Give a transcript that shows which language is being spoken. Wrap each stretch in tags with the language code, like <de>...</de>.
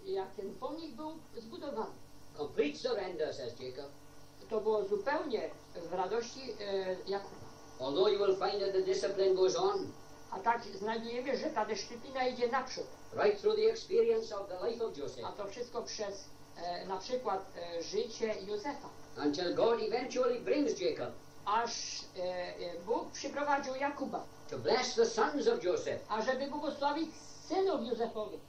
<pl>Jak ten pomnik był zbudowany.</pl> <en>Complete surrender, says Jacob.</en> <pl>To było zupełnie w radości Jakuba.</pl> <en>Although you will find that the discipline goes on.</en> <pl>A tak znajdujemy, że ta dyscyplina idzie naprzód.</pl> <en>Right through the experience of the life of Joseph.</en> <pl>A to wszystko przez na przykład życie Józefa.</pl> <en>Until God eventually brings Jacob.</en> <pl>Aż Bóg przyprowadził Jakuba.</pl> <en>To bless the sons of Joseph.</en> <pl>A żeby błogosławić synów Józefowych.</pl>